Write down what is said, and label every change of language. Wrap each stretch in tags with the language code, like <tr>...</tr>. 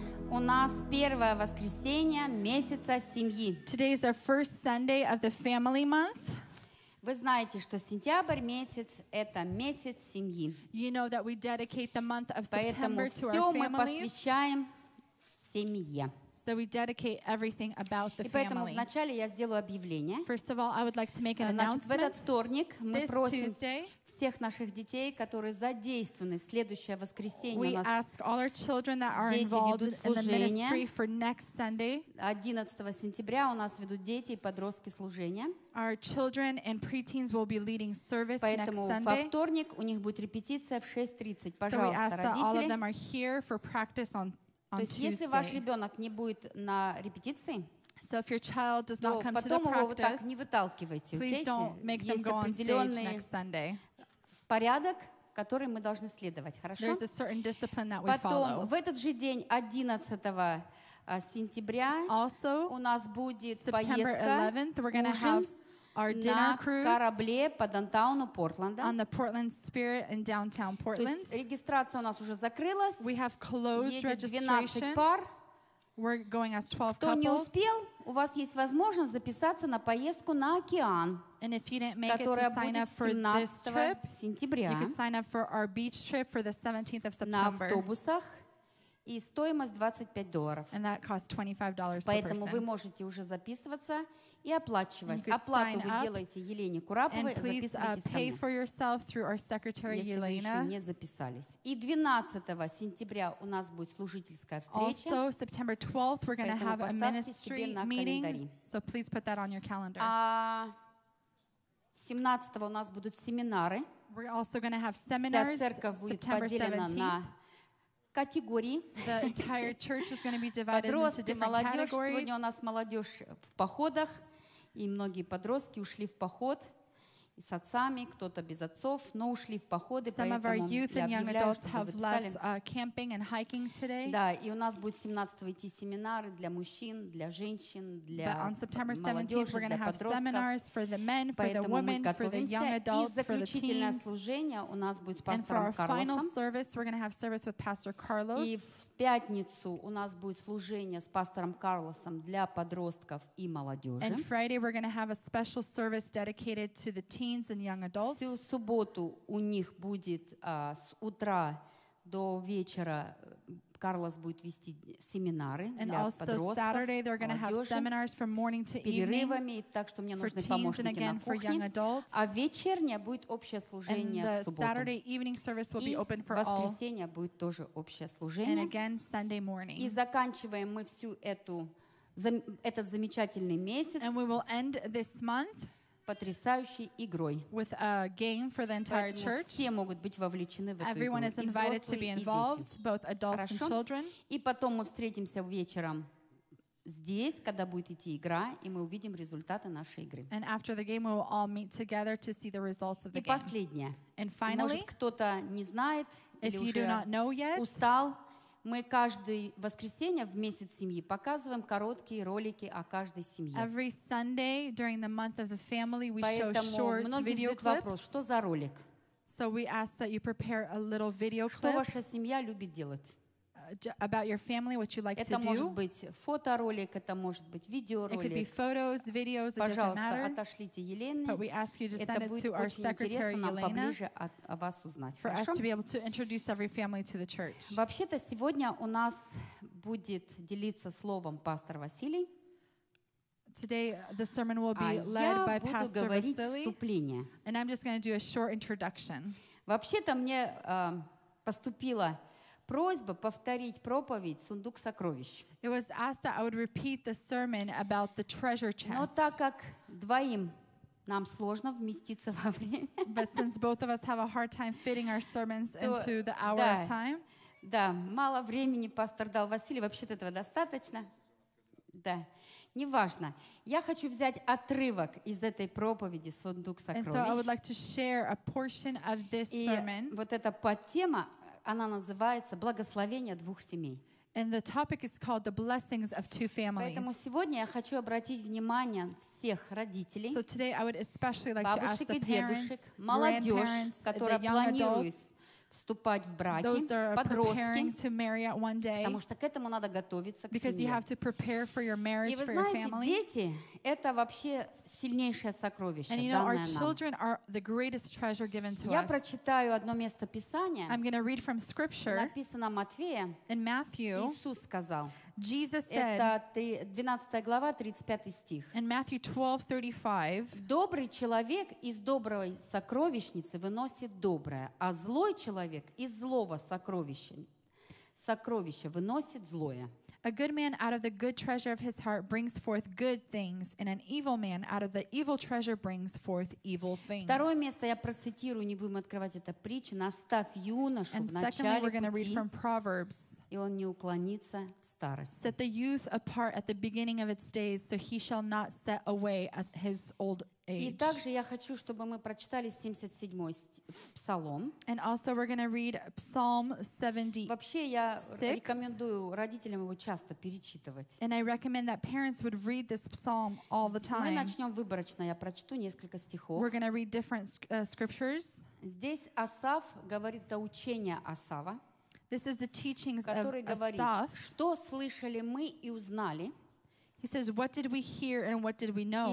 <en>Today is our first Sunday of the family month.</en> <ru>Вы знаете, что сентябрь месяц — это месяц семьи.</ru> <en>You know that we dedicate the month of September to our families.</en> <ru>Поэтому все мы посвящаем семье.</ru> <en>So we dedicate everything about the family.</en> <ru>И поэтому вначале я сделаю объявление.</ru> <en>First of all, I would like to make an announcement.</en> <ru>Значит, в этот вторник мы просим всех наших детей, которые задействованы следующее воскресенье.</ru> <en>We ask all our children that are involved in the ministry for next Sunday.</en> <ru>11 сентября у нас ведут дети и подростки служения.</ru> <en>Our children and preteens will be leading service</en> <ru>Поэтому</ru> <en>next Sunday.</en> <ru>Поэтому во вторник у них будет репетиция в 6:30. Пожалуйста,</ru> <en>so we ask</en> <ru>родители.</ru> <en>That all of them are here for practice on</en> <ru>То есть, если ваш ребенок не будет на репетиции,</ru> <en>so if your child does not come</en> <ru>потом</ru> <en>to the practice,</en> <ru>его так не выталкивайте.</ru> <en>Please don't make them go on stage next Sunday.</en> <ru>Порядок, который мы должны следовать, хорошо?</ru> <en>There's a certain discipline that we</en> <ru>потом,</ru> <en>follow.</en> <ru>Потом в этот же день, 11 сентября,</ru> <en>also,</en> <ru>у нас будет</ru> <en>September</en> <ru>поездка,</ru> <en>11th, we're gonna have our dinner cruise</en> <ru>на корабле по даунтауну Портленда.</ru> <en>On the Portland Spirit in downtown Portland.</en> <ru>То есть регистрация у нас уже закрылась.</ru> <en>We have closed registration.</en> <ru>Едет 12 пар.</ru> <en>We're going as 12</en> <ru>Кто</ru> <en>couples.</en> <ru>Кто не успел, у вас есть возможность записаться на поездку на океан.</ru> <en>And if you didn't make it to sign up for this trip,</en> <ru>сентября,</ru> <en>you can sign up for our beach trip for the 17th of September.</en> <ru>На автобусах. И стоимость $25.</ru> <en>And that costs $25</en> <ru>Поэтому</ru> <en>per person.</en> <ru>Вы можете уже записываться и оплачивать. Оплату вы делаете Елене Кураповой,</ru> <en>and please, pay for yourself through our secretary</en> <ru>если</ru> <en>Yelena.</en> <ru>Вы еще не записались. И 12 сентября у нас будет служительская встреча.</ru> <en>Also, September 12th, we're going to have a ministry meeting. So please put that on your calendar.</en> <ru>17 у нас будут семинары.</ru> <en>We're also going to have seminars.</en> <ru>Вся церковь будет поделена</ru> <en>17th.</en> <ru>На категории.</ru> <en>The entire church is going to be divided</en> <ru>подростки,</ru> <en>into different</en> <ru>молодежь.</ru> <en>Categories.</en> <ru>Сегодня у нас молодежь в походах, и многие подростки ушли в поход и с отцами, кто-то без отцов, но ушли в походы.</ru> <en>Some of our youth and young adults have left camping and hiking today.</en> <ru>Да, и у нас будет 17-го идти семинары для мужчин, для женщин, для</ru> <en>But on September 17th, we're going to have seminars for the men, for the women, for the young adults, for the teens.</en> <ru>И заключительное служение у нас будет с пастором Карлосом.</ru> <en>And for our final service, we're going to have service with Pastor Carlos.</en> <ru>И в пятницу у нас будет служение с пастором Карлосом для подростков и молодежи.</ru> <en>And Friday, we're going to have a special service dedicated to the teens and young adults.</en> <ru>Всю субботу у них будет с утра до вечера Карлос будет вести семинары</ru> <en>and</en> <ru>для подростков, молодежи.</ru> <en>And also Saturday they're going to have seminars from morning to evening.</en> <ru>С перерывами, так что мне нужны помощники на кухне. А вечернее будет общее служение в субботу.</ru> <en>And the Saturday evening service will be open for all.</en> <ru>И воскресенье будет тоже общее служение.</ru> <en>And again Sunday morning.</en> <ru>И заканчиваем мы всю эту этот замечательный месяц.</ru> <en>And we will end this month</en> <ru>потрясающей игрой.</ru> <en>With a game for the entire church.</en> <ru>Все могут быть вовлечены в эту игру.</ru> <en>Everyone is invited to be involved, both adults</en> <ru>Хорошо.</ru> <en>And children.</en> <ru>И потом мы встретимся вечером здесь, когда будет идти игра, и мы увидим результаты нашей игры.</ru> <en>And after the game, we will all meet together to see the results of the game.</en> <ru>И последнее.</ru> <en>And finally,</en> <ru>может кто-то не знает</ru> <en>if</en> <ru>или уже устал. Мы каждое воскресенье в месяц семьи показываем короткие ролики о каждой семье.</ru> <en>Every Sunday during the month of the family we</en> <ru>Поэтому</ru> <en>show short</en> <ru>многие задают</ru> <en>video clips.</en> <ru>Вопрос, что за ролик?</ru> <en>So we ask that you prepare a little video clip.</en> <ru>Что ваша семья любит делать?</ru> <en>About your family, what you like</en> <ru>это</ru> <en>to do.</en> <ru>Это может быть фоторолик, это может быть видеоролик.</ru> <en>It could be photos, videos, it</en> <ru>Пожалуйста,</ru> <en>doesn't matter.</en> <ru>Отошлите Елене.</ru> <en>But we ask you to send it to our secretary, Елена.</en> <ru>Это будет очень интересно нам поближе о вас узнать.</ru> <en>For</en> <ru>Хорошо?</ru> <en>Us to be able to introduce every family to the church.</en> <ru>Вообще-то сегодня у нас будет делиться словом пастор Василий.</ru> <en>Today the sermon will be led by Pastor Василий.</en> <ru>А я буду говорить вступление.</ru> <en>And I'm just going to do a short introduction.</en> <ru>Вообще-то мне поступило просьба повторить проповедь «Сундук сокровищ».</ru> <en>It was asked that I would repeat the sermon about the treasure chest.</en> <ru>Но так как двоим нам сложно вместиться во время,</ru> <en>but since both of us have a hard time fitting our sermons into the hour of time,</en> <ru>да, мало времени пастор дал Василию, вообще-то этого достаточно, да. Неважно. Я хочу взять отрывок из этой проповеди «Сундук сокровищ».</ru> <en>And so I would like to share a portion of this sermon.</en> <ru>И вот это под тема. Она называется «Благословение двух семей».</ru> <en>And the topic is called the blessings of two families.</en> <ru>Поэтому сегодня я хочу обратить внимание всех родителей,</ru> <en>so today I would especially like</en> <ru>бабушек</ru> <en>to ask</en> <ru>и дедушек, молодежь, которая планирует в вступать в браки,</ru> <en>those that are</en> <ru>подростки,</ru> <en>preparing to marry at one day,</en> <ru>потому что к этому надо готовиться, к</ru> <en>because</en> <ru>семье.</ru> <en>You have to prepare for your marriage,</en> <ru>и вы</ru> <en>for</en> <ru>знаете,</ru> <en>your family.</en> <ru>Дети — это вообще сильнейшее сокровище,</ru> <en>and</en> <ru>данное нам.</ru> <en>Our children are the greatest treasure given to</en> <ru>Я Я прочитаю одно место Писания.</ru> <en>I'm going to read from Scripture.</en> <ru>Написано Матфея.</ru> <en>In Matthew,</en> <ru>Иисус сказал.</ru> <en>Jesus said,</en> <ru>это 12 глава, 35 стих.</ru> <en>In Matthew 12:35,</en> <ru>добрый человек из доброй сокровищницы выносит доброе, а злой человек из злого сокровища выносит злое.</ru> <en>A good man out of the good treasure of his heart brings forth good things, and an evil man out of the evil treasure brings forth evil things.</en> <ru>Второе место я процитирую, не будем открывать это притча. Наставь юношу</ru> <en>and</en> <ru>в начале</ru> <en>secondly, we're going to read from Proverbs.</en> <ru>И он не уклонится в старости.</ru> <en>Set the youth apart at the beginning of its days, so he shall not set away at his old age.</en> <ru>И также я хочу, чтобы мы прочитали 77-й псалом.</ru> <en>And also we're going to read Psalm 76.</en> <ru>Вообще я рекомендую родителям его часто перечитывать.</ru> <en>And I recommend that parents would read this psalm all the time.</en> <ru>Мы начнем выборочно, я прочту несколько стихов.</ru> <en>We're going to read different scriptures.</en> <ru>Здесь Асав говорит о учении Асава.</ru> <en>This is the teachings of</en> <ru>Asaph. Что слышали мы и узнали?</ru> <en>He says, "What did we hear and what did we know?"</en>